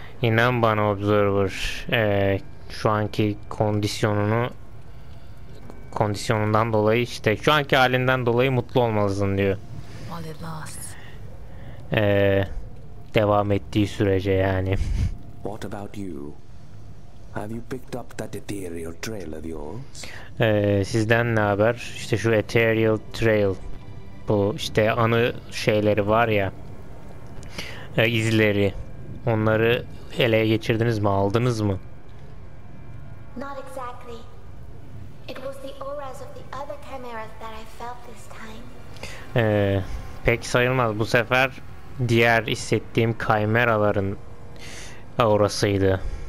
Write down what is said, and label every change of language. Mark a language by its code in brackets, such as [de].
[tr] İnan bana Observer, şu anki kondisyonundan dolayı işte şu anki halinden dolayı mutlu olmalısın diyor. [en] While it lasts. [tr] Devam ettiği sürece yani. [en] What about you? Have you picked up that ethereal trail of yours? [tr] Sizden ne haber? İşte şu Ethereal Trail, bu işte anı şeyleri var ya, izleri, onları ele geçirdiniz mi, aldınız mı? [en] Not exactly. It was the auras of the other chimeras that I felt this time. [tr] Pek sayılmaz. Bu sefer diğer hissettiğim kaymeraların aurasıydı.